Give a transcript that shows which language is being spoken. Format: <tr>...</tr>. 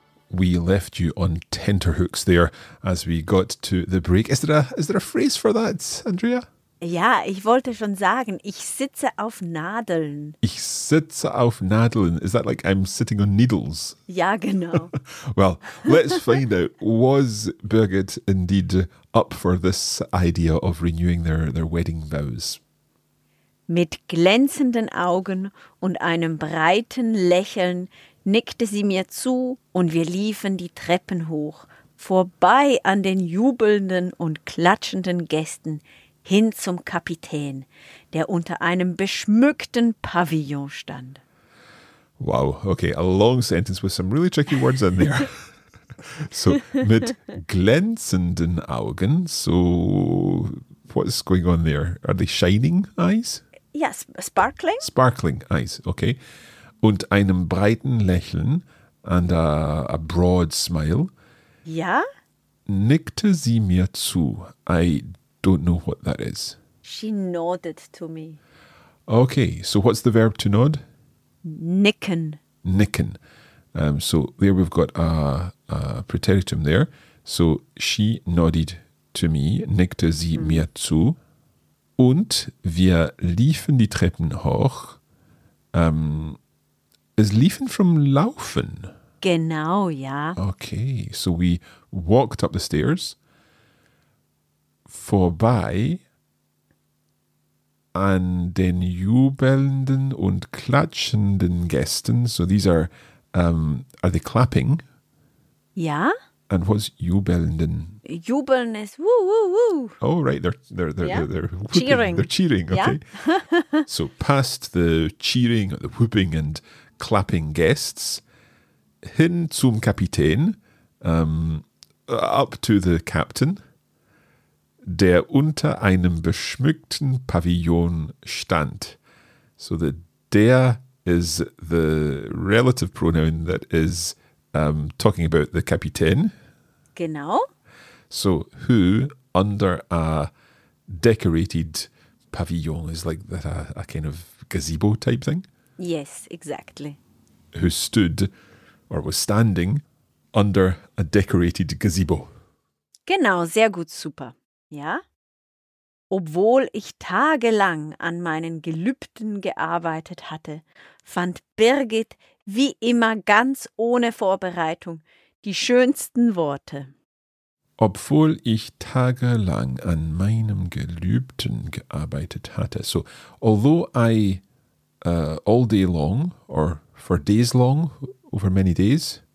<en>We left you on tenterhooks there as we got to the break. Is there a phrase for that, Andrea?</en> <de>Ja, ich wollte schon sagen, ich sitze auf Nadeln. Ich sitze auf Nadeln.</de> <en>Is that like I'm sitting on needles?</en> <de>Ja, genau.</de> <en>Well, let's find out. Was Birgit indeed up for this idea of renewing their wedding vows?</en> <de>Mit glänzenden Augen und einem breiten Lächeln nickte sie mir zu und wir liefen die Treppen hoch, vorbei an den jubelnden und klatschenden Gästen, hin zum Kapitän, der unter einem beschmückten Pavillon stand.</de> <en>Wow, okay, a long sentence with some really tricky words in there. So, mit glänzenden Augen, so what's going on there? Are they shining eyes? Yes, sparkling. Sparkling eyes, okay.</en> <de>Und einem breiten Lächeln</de> <en>and a broad smile.</en> <de>Ja. Nickte sie mir zu,</de> <en>I don't know what that is. She nodded to me. Okay, so what's the verb to nod?</en> <de>Nicken. Nicken.</de> <en>So there we've got a preteritum there. So she nodded to me,</en> <de>nickte sie mir zu. Und wir liefen die Treppen hoch.</de> <en>Is liefen from laufen?</en> <de>Genau, ja.</de> <en>Okay, so we walked up the stairs.</en> <de>Vorbei an den jubelnden und klatschenden Gästen.</de> <en>So these are they clapping?</en> <de>Ja.</de> <en>And what's jubelnden? Jubeln is woo woo woo. Oh right, they're cheering. They're cheering. Okay. Yeah. So past the cheering, the whooping, and clapping guests,</en> <de>hin zum Kapitän,</de> <en>up to the captain.</en> <de>Der unter einem beschmückten Pavillon stand.</de> <en>So the der is the relative pronoun that is talking about the Kapitän.</en> <de>Genau.</de> <en>So who under a decorated pavillon is like that a kind of gazebo type thing? Yes, exactly. Who stood or was standing under a decorated gazebo.</en> <de>Genau, sehr gut, super. Ja, obwohl ich tagelang an meinen Gelübden gearbeitet hatte, fand Birgit wie immer ganz ohne Vorbereitung die schönsten Worte. Obwohl ich tagelang an meinem Gelübden gearbeitet hatte.</de> <en>So, although I all day long or for days long, over many days?</en>